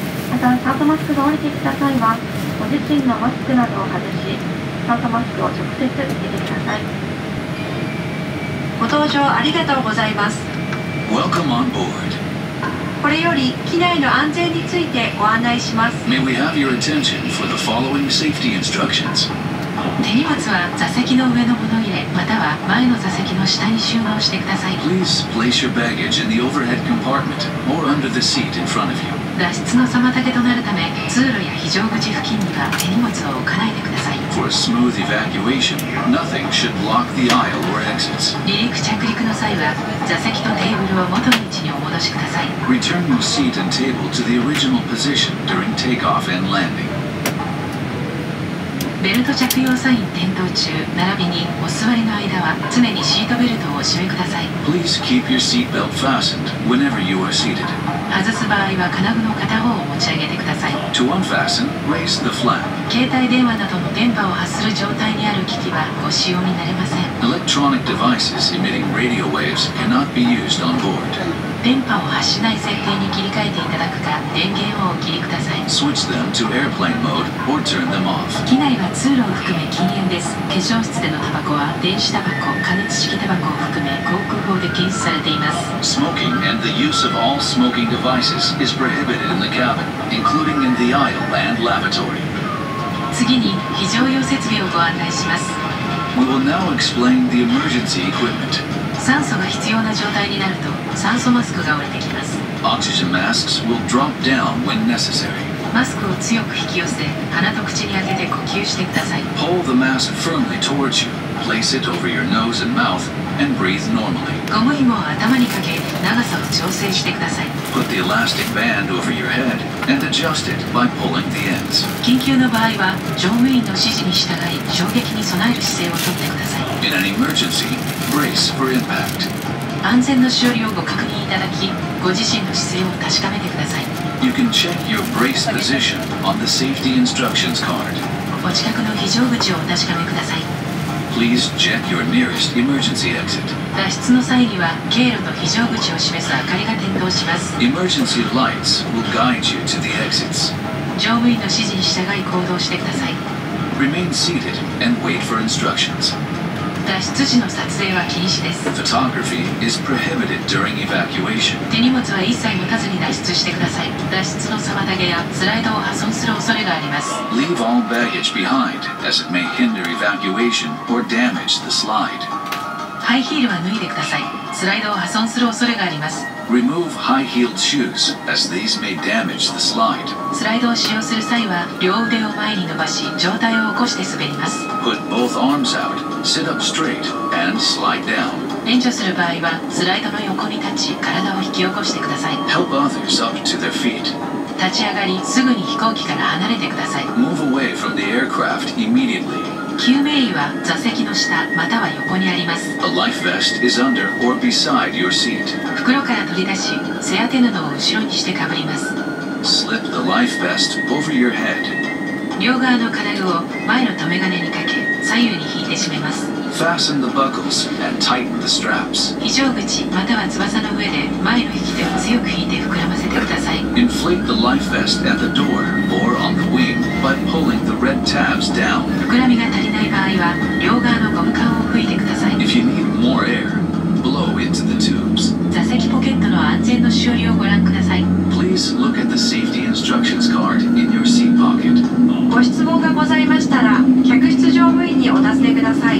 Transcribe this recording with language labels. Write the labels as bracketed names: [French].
[Japanese] またサートマスクが降りてきた際は、ご自身のマスクなどを外し、サートマスクを直接つけてください。ご搭乗ありがとうございます。 [English] Welcome on board. [Japanese] これより機内の安全についてご案内します。 [English] May we have your attention for the following safety instructions. [Japanese] 手荷物は座席の上の物入れ、または前の座席の下に収納してください。 [English] Please place your baggage in the overhead compartment or under the seat in front of you. [Japanese] 脱出の妨げとなるため、通路や非常口付近には手荷物を置かないでください。 [English] For a smooth evacuation, nothing should block the aisle or exits. [Japanese] 離陸着陸の際は座席とテーブルを元の位置にお戻しください。 [English] Return the seat and table to the original position during takeoff and landing. [Japanese] ベルト着用サイン点灯中、並びにお座りの間は常にシートベルトをお締めください。 [English] Please keep your seat belt fastened whenever you are seated. [Japanese] 外す場合は金具の片方を持ち上げてください。 [English] To unfasten, raise the flap. [Japanese] 携帯電話などの電波を発する状態にある機器はご使用になれません。 [English] Electronic devices emitting radio waves cannot be used on board. [Japanese] 電波を発しない設定に切り替えていただくか、電源をお切りください。 [English] Switch them to airplane mode or turn them off. [Japanese] 機内は通路を含め禁煙です。化粧室でのタバコは電子タバコ、加熱式タバコを含め航空法で禁止されています。 [English] Smoking and the use of all smoking devices devices is prohibited in the cabin, including in the aisle and lavatory. [Japanese] 次に非常用設備をご案内します。 [English] We will now explain the emergency equipment. [Japanese] 酸素が必要な状態になると酸素マスクが降りてきます。 [English] Oxygen masks will drop down when necessary. [Japanese] マスクを強く引き寄せ、鼻と口に当てて呼吸してください。 [English] Pull the mask firmly towards you. Place it over your nose and mouth and breathe normally. [Japanese] ゴム紐を頭にかけ、長さを調整してください。 [English] Put the elastic band over your head and adjust it by pulling the ends. [Japanese] 緊急の場合は、乗務員の指示に従い、衝撃に備える姿勢をとってください。 [English] In an emergency, brace for impact. [Japanese] 安全のしおりをご確認いただき、ご自身の姿勢を確かめてください。 [English] You can check your brace position on the safety instructions card. [Japanese] お近くの非常口をお確かめください。 [English] Please check your nearest emergency exit. [Japanese] 脱出の際には経路の非常口を示す明かりが点灯します。 [English] Emergency lights will guide you to the exits. [Japanese] 乗務員の指示に従い行動してください。 [English] Remain seated and wait for instructions. [Japanese] 脱出時の撮影は禁止です。 [English] Photography is prohibited during evacuation. [Japanese] 手荷物は一切持たずに脱出してください。脱出の妨げやスライドを破損する恐れがあります。 [English] Leave all baggage behind, as it may hinder evacuation or damage the slide. [Japanese] ハイヒールは脱いでください。スライドを破損する恐れがあります。 [English] Remove high-heeled shoes, as these may damage the slide. [Japanese] スライドを使用する際は、両腕を前に伸ばし、上体を起こして滑ります。 [English] Put both arms out, sit up straight, and slide down. [Japanese] 援助する場合は、スライドの横に立ち、体を引き起こしてください。 [English] Help others up to their feet. [Japanese] 立ち上がり、すぐに飛行機から離れてください。 [English] Move away from the aircraft immediately. [Japanese] 救命衣は座席の下または横にあります。 [English] A life vest is under or beside your seat. [Japanese] 袋から取り出し、背当て布を後ろにしてかぶります。 [English] Slip the life vest over your head. [Japanese] 両側の金具を前の留め金にかけ、左右に引いて締めます。 [English] Fasten the buckles and tighten the straps. [Japanese] 非常口または翼の上で前の引き手を強く引いて膨らませてください。 [English] Inflate the life vest at the door or on the wing by pulling the red tabs down. [Japanese] 膨らみが足りない場合は両側のゴム管を吹いてください。 [English] If you need more air, blow into the tubes. [Japanese] 座席ポケットの安全のしおりをご覧ください。 [English] Please look at the safety instructions card in your seat pocket. [Japanese] ご質問がございましたら、客室乗務員にお尋ねください。